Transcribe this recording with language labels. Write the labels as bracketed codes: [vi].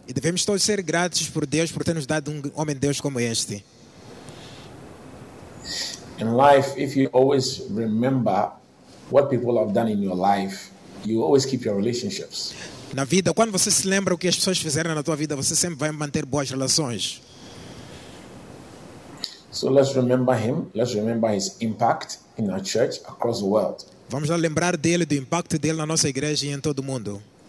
[pt] E devemos todos ser gratos por Deus por ter nos dado um homem de Deus como este. [en] In life, if you always remember what people have done in your life, you always keep your relationships. [pt] Na vida, quando você se lembra o que as pessoas fizeram na tua vida, você sempre vai manter boas relações. [en] So let's remember him. Let's remember his impact in our church across the world. [pt] Vamos lá lembrar dele, do impacto dele na nossa igreja e em todo o mundo.